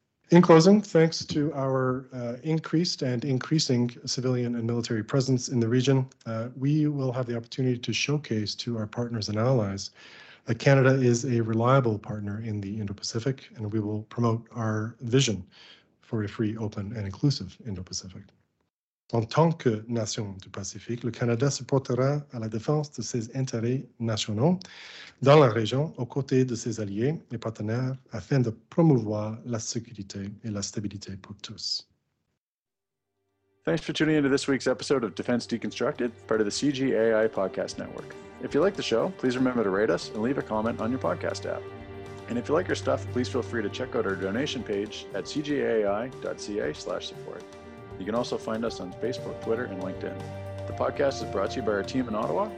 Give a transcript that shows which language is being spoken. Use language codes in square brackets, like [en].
[en] In closing, thanks to our increased and increasing civilian and military presence in the region, we will have the opportunity to showcase to our partners and allies that Canada is a reliable partner in the Indo-Pacific, and we will promote our vision for a free, open, and inclusive Indo-Pacific. [fr] En tant que nation du Pacifique, le Canada supportera à la défense de ses intérêts nationaux dans la région aux côtés de ses alliés et partenaires afin de promouvoir la sécurité et la stabilité pour tous. [en] Thanks for tuning into this week's episode of Defense Deconstructed, part of the CGAI Podcast Network. If you like the show, please remember to rate us and leave a comment on your podcast app. And if you like our stuff, please feel free to check out our donation page at cgai.ca/support. You can also find us on Facebook, Twitter, and LinkedIn. The podcast is brought to you by our team in Ottawa.